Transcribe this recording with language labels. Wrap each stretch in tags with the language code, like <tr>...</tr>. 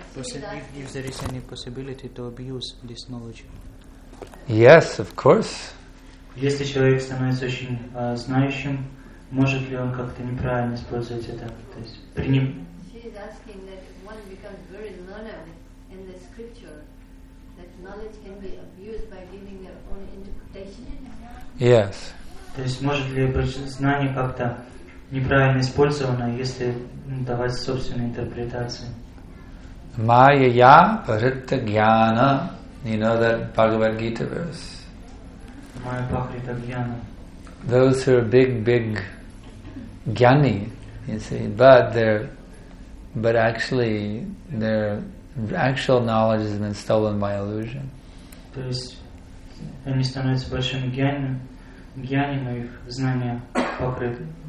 <en>If there is any possibility to abuse this knowledge. Yes, of course.</en> <ru>Если человек становится очень знающим, может ли он как-то неправильно использовать это? То есть,</ru> <en>She is asking that one becomes very learned in the scripture, that knowledge can be abused by giving their own interpretation. Yes.</en> <ru>То есть, может ли знание как-то неправильно использовано, если давать собственные интерпретации.</ru> <sa>Майя прита гьяна.</sa> <en>You know that Bhagavad Gita verse.</en> <sa>Майя прита гьяна.</sa> <en>Those who are big, big gyani, you see, but actually their actual knowledge has been stolen by illusion.</en> <ru>То есть они становятся большими гьяни, но их знания покрыты.</ru>